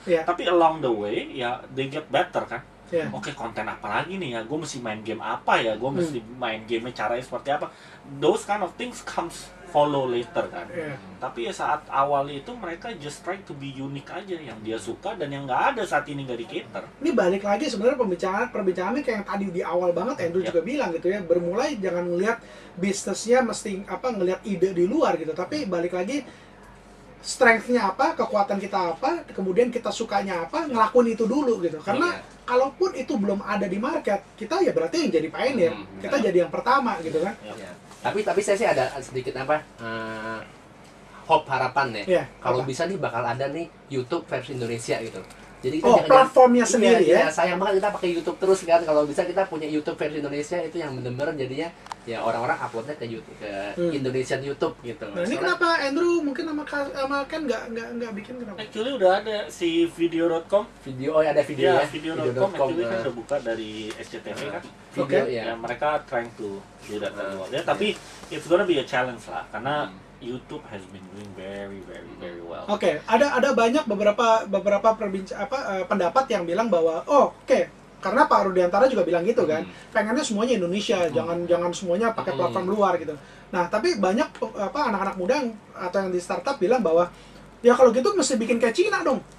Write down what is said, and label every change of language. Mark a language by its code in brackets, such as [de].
[id] Tapi along the way ya [en] they get better [id] kan. Okay, konten apa lagi nih ya, gue mesti main game apa ya, gue mesti main game-nya caranya seperti apa. [en] Those kind of things comes follow later kan. [id] Tapi ya saat awal itu mereka [en] just try to be unique [id] aja yang dia suka dan yang nggak ada saat ini nggak di cater. Ini balik lagi sebenarnya perbincangannya kayak yang tadi di awal banget Andrew juga bilang gitu ya, bermulai jangan ngelihat bisnisnya mesti apa ngelihat ide di luar gitu, tapi balik lagi strength-nya apa, kekuatan kita apa, kemudian kita sukanya apa, ngelakuin itu dulu gitu. Karena kalaupun itu belum ada di market, kita ya berarti yang jadi pioneer, kita jadi yang pertama gitu kan. Tapi saya sih ada sedikit apa hope, harapan ya. Kalau bisa nih bakal ada nih YouTube versi Indonesia gitu. Jadi kita platformnya sendiri ya. Sayang banget kita pakai YouTube terus kan. Kalau bisa kita punya YouTube versi Indonesia itu yang benar-benar jadinya ya orang-orang uploadnya ke YouTube, ke Indonesian YouTube gitu. Nah, ini kenapa Andrew mungkin sama Ken enggak bikin kenapa? Actually udah ada si video.com. Video.com actually kan terbuka dari SCTV kan. [en] Mereka trying to build that world. Tapi it's gonna be a challenge [id] lah karena [en] YouTube has been doing very very very well. [id] Ada banyak beberapa pendapat yang bilang bahwa karena Pak Rudiantara juga bilang gitu kan. Pengennya semuanya Indonesia, jangan semuanya pakai platform luar gitu. Nah, tapi banyak anak-anak muda atau yang di startup bilang bahwa ya kalau gitu mesti bikin kayak Cina dong.